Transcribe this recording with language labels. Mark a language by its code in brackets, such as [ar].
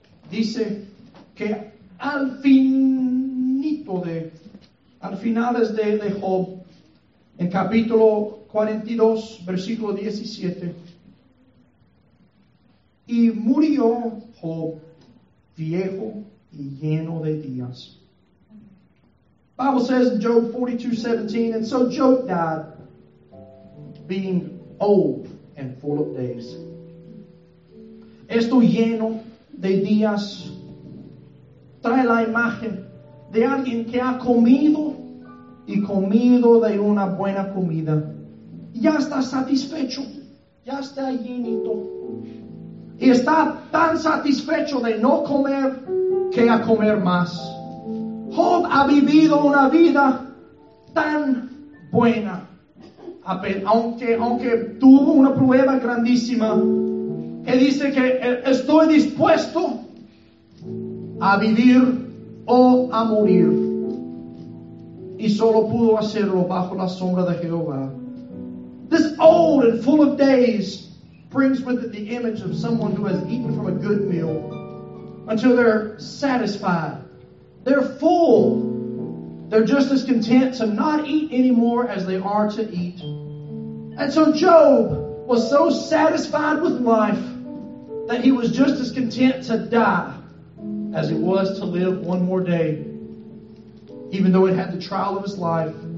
[es] Dice que al finito de, al finales de Job, en capítulo 42, versículo 17, y murió Job, viejo y lleno de días. [en] Bible says in Job 42:17, and so Job died, being old and full of days. [es] Esto lleno de días trae la imagen de alguien que ha comido y comido de una buena comida. Ya está satisfecho, ya está llenito. Y está tan satisfecho de no comer que a comer más. Job ha vivido una vida tan buena, aunque tuvo una prueba grandísima. Él dice que estoy dispuesto a vivir o a morir. Y solo pudo hacerlo bajo la sombra de Jehová. [en] This old and full of days brings with it the image of someone who has eaten from a good meal until they're satisfied. They're full. They're just as content to not eat anymore as they are to eat. And so Job was so satisfied with life that he was just as content to die as he was to live one more day, even though it had the trial of his life.